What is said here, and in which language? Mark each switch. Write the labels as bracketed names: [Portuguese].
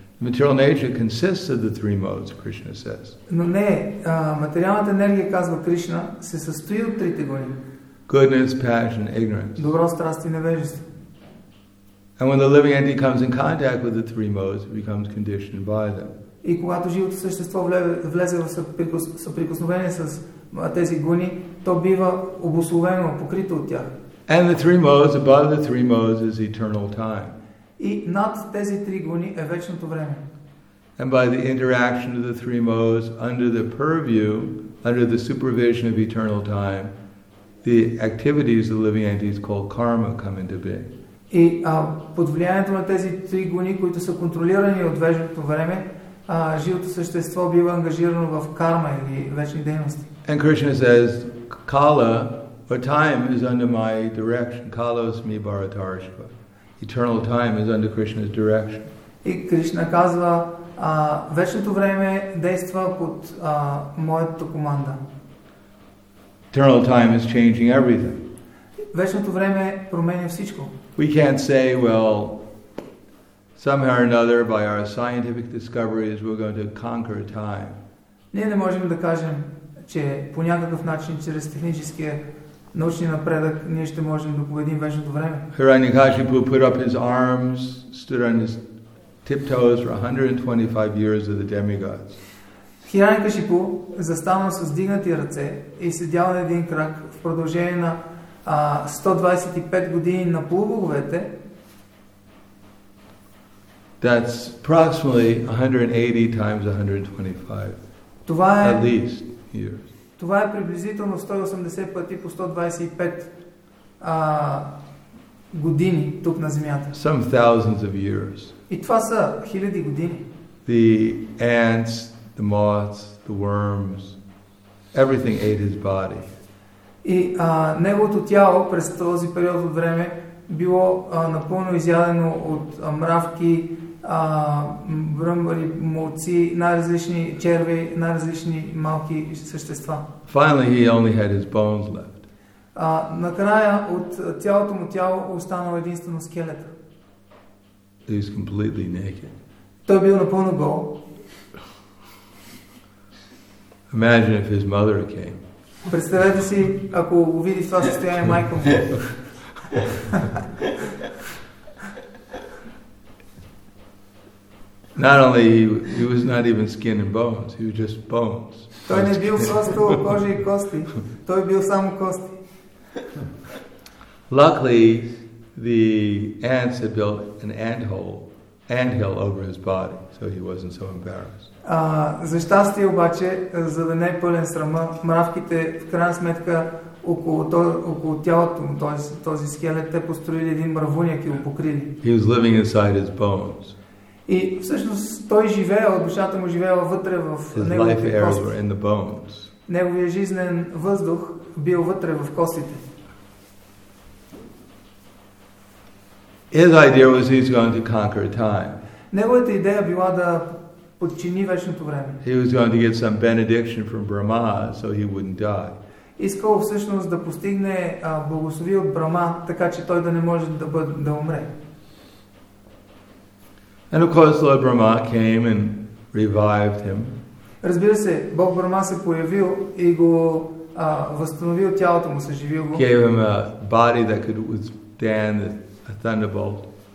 [English] Material nature consists of the 3 modes, Krishna says. [Bulgarian] Но не, материалната енергия, казва Кришна, се състои от трите гуни. [English] Goodness, passion, ignorance. [Bulgarian] Добро, страст и невежество. [English] And when the living entity comes in contact with the 3 modes, it becomes conditioned by them. [Bulgarian] И когато живото същество влезе в съприкосновение с тези гуни, то бива обусловено, покрито от тях. [English] And the 3 modes, above the 3 modes, is eternal time. [Bulgarian] И над тези три гуни е вечното време. [English] And by the interaction of the 3 modes, under the purview, under the supervision of eternal time, the activities of the living entities called karma come into being. [Bulgarian] И под влиянието на тези три гуни, които са контролирани от вечното време, живото същество бива ангажирано в карма или вечни дейности. [English] And Krishna says, Kala, but time is under my direction. [Sanskrit] Kalos mi bharatarshva. [English] Eternal time is under Krishna's direction. [Bulgarian] И Кришна казва, вечното време действа под моята команда. [English] Eternal time is changing everything. [Bulgarian] Вечното време променя всичко. [English] We can't say, well, somehow or another, by our scientific discoveries, we're going to conquer time. [Bulgarian] Ние не можем да кажем, че по някакъв начин, чрез техническия научния напредък, ние ще можем да победим вечното време. [English] Hiranyakashipu put up his arms, stood on his tiptoes for 125 years of the demigods. [Bulgarian] Hiranyakashipu застана с вдигнати ръце и седял на един крак в продължение на 125 години на полубоговете. [English] That's approximately 180 times 125. At least here. [Bulgarian] Това е приблизително 180 пъти по 125 години тук на Земята. [English] Some thousands of years. [Bulgarian] И това са хиляди години. [English] The ants, the moths, the worms, everything ate his body. [Bulgarian] И неговото тяло през този период от време било напълно изядено от мравки, бръмбари, молци, най-различни черви, най-различни малки същества. [English] Finally, he only had his bones left. [Bulgarian] Накрая от цялото му тяло останал единствено скелета. [English] He was completely naked. [Bulgarian] Той бил напълно гол. [English] Imagine if his mother came. [Bulgarian] Представете си, ако го види в това състояние майка му. [English] Not only he was not even skin and bones, he was just bones. [Bulgarian] Той не бил просто кожа и кости, той бил само кости. [English] Luckily, the ants had built an anthill over his body, so he wasn't so embarrassed. [Bulgarian] За щастие обаче, за да не е пълен срама, мравките в крайна сметка около тялото му, този скелет, те построили един мравуняк и го покрили. [English] He was living inside his bones. [Bulgarian] И всъщност той живеел, душата му живеела вътре в неговите кости. Неговия жизнен въздух бил вътре в костите. [English] His idea was he's going to conquer time. [Bulgarian] Неговата идея била да подчини вечното време. [English] He was going to get some benediction from Brahma so he wouldn't die. [Bulgarian] Искал всъщност да постигне благословие от Брама, така че той да не може да умре. [English] And of course, Lord Brahma came and revived him. [Bulgarian] Разбира се, Бог Брама се появил и го възстановил тялото му, съживил го. [English] Gave him a body that could withstand a thunderbolt.